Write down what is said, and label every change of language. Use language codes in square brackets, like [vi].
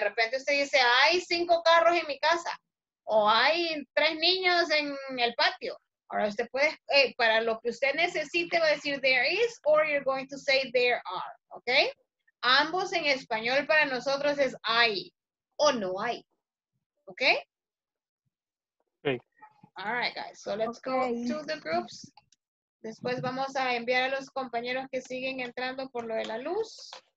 [es] De repente usted dice, hay 5 carros en mi casa, o hay 3 niños en el patio. Ahora usted puede, hey, para lo que usted necesite, va a decir there is, [en] or you're going to say there are, ¿ok? [es] Ambos en español para nosotros es hay o no hay, ¿ok? [en] All right, guys, so let's go to the groups. [es] Después vamos a enviar a los compañeros que siguen entrando por lo de la luz.